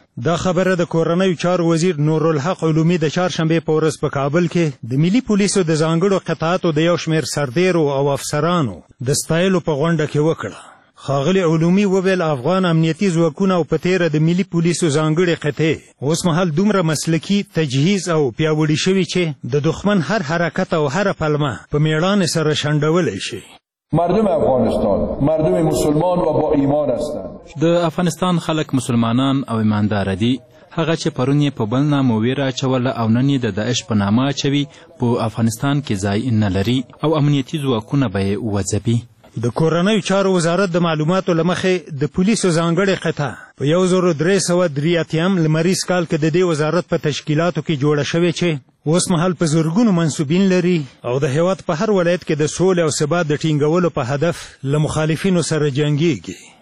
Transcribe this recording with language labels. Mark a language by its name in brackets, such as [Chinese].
[Pashto] دا خبره د کورنیو چارو وزیر نورالحق علومي د چهارشنبه په ورځ په کابل کې د ملي پولیسو د ځانګړو قطعاتو د یو شمېر سردیرو او افسرانو د ستایلو په غونډه کې وکړه. خاغلی علومي وویل افغان امنیتي ځواکونه او په تېره د ملي پولیسو ځانګړې قطعې اوس مهال دومره مسلکي تجهیز او پیاوړي شوي چې د دښمن هر حرکت او هر پلمه په میړانې سره شنډولی شي. [Persian] مردم افغانستان مردم مسلمان و با ایمان هستند. [Pashto] د افغانستان خلک مسلمانان او ایماندار دي. هغه چې پرون یې په بل نامه ویره اچوله او نن یې د داعش په نامه اچوي په افغانستان کې ځای نه لري او امنیتي ځواکونه به یې وځبي. د کورنیو چارو وزارت د معلوماتو له مخې د پولیسو ځانګړې قطعه په 1303 لمریز کال کې د دې وزارت په تشکیلاتو کې جوړه شوې چې اوس مهال په زرګونو منصوبین لري او د هیواد په هر ولایت کې د سولې او ثبات د ټینګولو په هدف له مخالفینو سره جنګیږي.